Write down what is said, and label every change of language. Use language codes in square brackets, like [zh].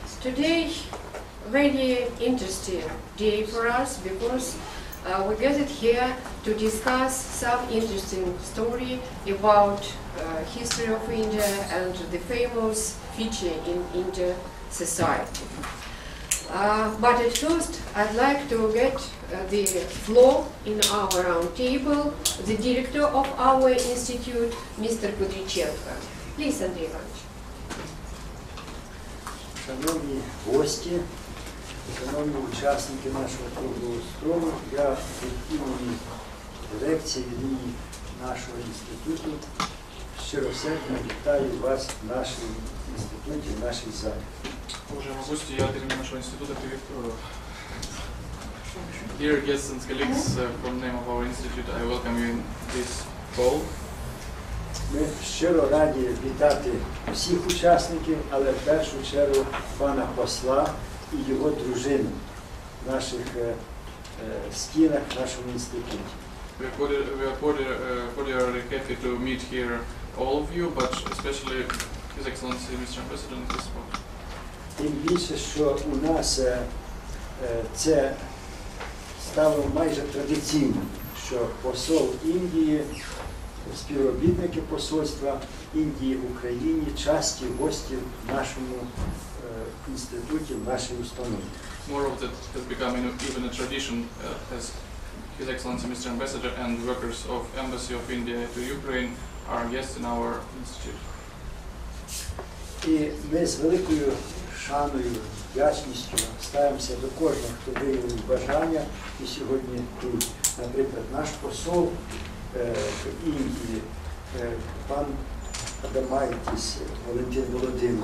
[en] Today, very interesting day for us because we gathered here to discuss some interesting story about history of India and the famous feature in India society. But at first, I'd like to get the floor in our round table, the director of our institute, Mr. Kudrychenko. Please, Andrei Иванович. [uk] Шановні гості, шановні учасники нашого круглого столу, я від лекції від імені нашого інституту щиросердно вітаю вас в нашому інституті, в нашій залі. [ru] Уважаемые гости, я от имени нашего института приветствую. [en] Dear guests and colleagues from the name of our institute, I welcome you in this call. [uk] Мы щиро раді вітати всіх учасників, але в першу чергу пана посла і його дружину в наших стінах, в нашому інституті. [en] We are cordially happy to meet here all of you, but especially His Excellency Mr. President, this one. [uk] Тим більше, що у нас це стало майже традиційним, що посол Індії, співробітники посольства Індії в Україні, часті гості в нашому інституті, в нашій установі. [en] More of that has become even a tradition as His Excellency Mr. Ambassador and workers of Embassy of India to Ukraine are guests in our institute. [uk] І ми з великою шаною, вдячністю ставимося до кожного, хто виявив бажання і сьогодні тут. Наприклад, наш посол в Індії, пан Адамайтіс, Валентин Володимирович.